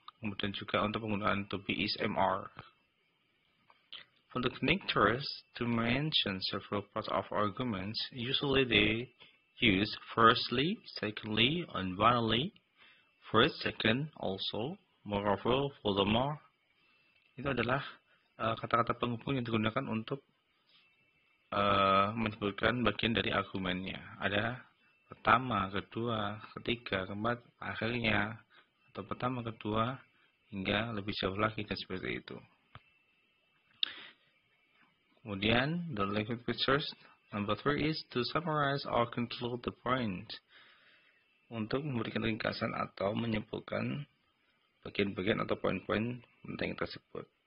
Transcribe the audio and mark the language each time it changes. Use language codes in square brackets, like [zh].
[id] Kemudian juga untuk penggunaan to be is mr. [en] For the connectors to mention several parts of arguments, usually they use firstly, secondly, and finally, first, second, also, moreover, furthermore. [id] Itu adalah kata-kata penghubung yang digunakan untuk menyebutkan bagian dari argumennya. Ada pertama, kedua, ketiga, keempat, akhirnya, atau pertama, kedua, hingga lebih jauh lagi dan seperti itu. [en] Kemudian, the language features. Number three is to summarize or conclude the point. [id] Untuk memberikan ringkasan atau menyimpulkan bagian-bagian atau poin-poin penting tersebut.